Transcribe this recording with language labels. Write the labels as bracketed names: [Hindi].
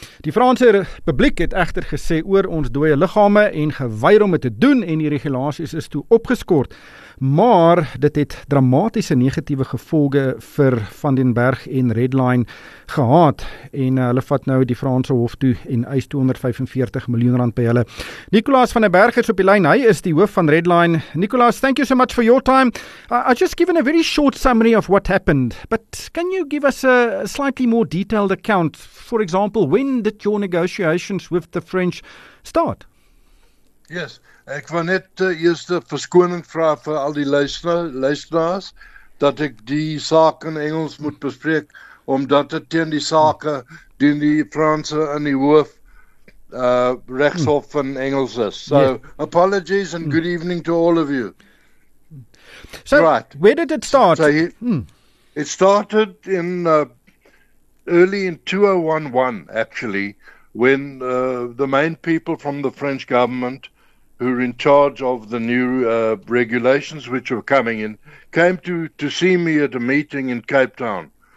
[Afrikaans] Die Franse publiek het egter gesê oor ons dooie liggame en geweier om dit te doen en die regulasies is toe opgeskort. Maar dit het dramatiese negatiewe gevolge vir Van den Berg en Redline gehad en hulle vat nou die Franse hof toe en eis 245 miljoen rand by hulle. Nicolas van den Berg is op die lyn. Hy is die hoof van Redline. [English] Nicolas, thank you so much for your time. I've just given a very short summary of what happened, but can you give us a slightly more detailed account? For example, when did your negotiations with the French start? [Afrikaans] Yes, ek wou net eerst verskoning vra vir al die luisteraars dat ek die saak in Engels moet bespreek, omdat het teen die saak doen die Franse in die hoof rechtshof van Engels is. [English] So, apologies and good evening to all of you. So, right. Where did it start? So it started in early in 2011, actually, when the main people from the French government who were in charge of the new regulations which were coming in, came to see me at a meeting in Cape Town.